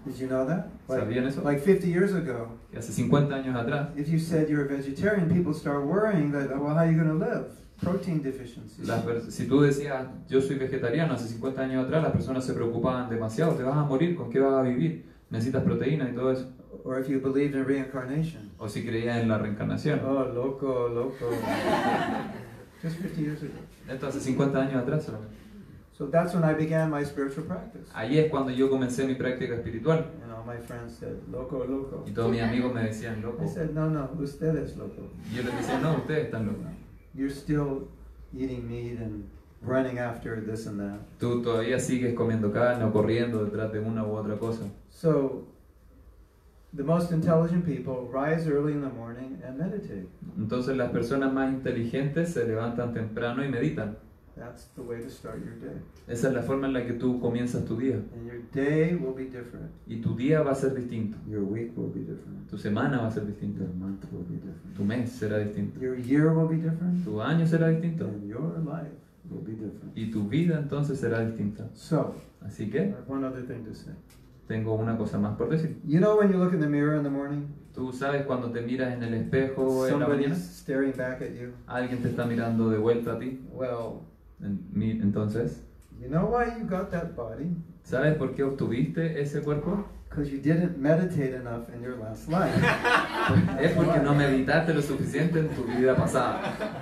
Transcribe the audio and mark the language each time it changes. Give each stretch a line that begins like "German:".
English: Did you know that?
Spanish: ¿Sabían eso?
English: Like 50 years ago.
Spanish: Y hace 50 años atrás.
English: If you said you're a vegetarian, people start worrying that, well, how are you going to live? Protein deficiencies.
Spanish: Si tú decías, yo soy vegetariano, hace 50 años atrás las personas se preocupaban demasiado. Te vas a morir, ¿con qué vas a vivir? Necesitas proteína y todo eso.
English: Or if you believed in reincarnation.
Spanish: O si creías en la reencarnación.
English: Oh, loco, loco. Just 50 years ago.
Spanish: Esto hace 50 años atrás solamente.
English: So that's when I began my spiritual practice.
Spanish: Ahí es cuando yo comencé mi práctica espiritual.
English: And all my friends said, loco, loco.
Spanish: Y todos mis amigos me decían, loco.
English: I said, no, no,
Spanish: usted es loco. Y yo les decía, no, ustedes están locos.
English: You're still eating meat and running after this and that.
Spanish: Tú todavía sigues comiendo carne o corriendo detrás de una u otra cosa.
English: So, the most intelligent people rise early in the morning and meditate.
Spanish: Entonces las personas más inteligentes se levantan temprano y meditan.
English: That's the way to start your day.
Spanish: Esa es la forma en la que tú comienzas tu día.
English: And your day will be different.
Spanish: Y tu día va a ser distinto.
English: Your week will be different.
Spanish: Tu semana va a ser distinta.
English: Your month will be different.
Spanish: Tu mes será distinto.
English: Your year will be different.
Spanish: Tu año será distinto.
English: And your life will be different.
Spanish: Y tu vida entonces será distinta.
English: So,
Spanish: así que,
English: I have one other thing to say.
Spanish: Tengo una cosa más por decir.
English: You know when you look in the mirror in the morning?
Spanish: ¿Tú sabes cuando te miras en el espejo en la mañana?
English: Somebody's staring back at you.
Spanish: Alguien te está mirando de vuelta a ti.
English: Well,
Spanish: entonces,
English: you know why you got that body?
Spanish: ¿Sabes por qué obtuviste ese cuerpo?
English: Because you didn't meditate enough in your last life.
Spanish: Es porque no meditaste lo suficiente en tu vida pasada.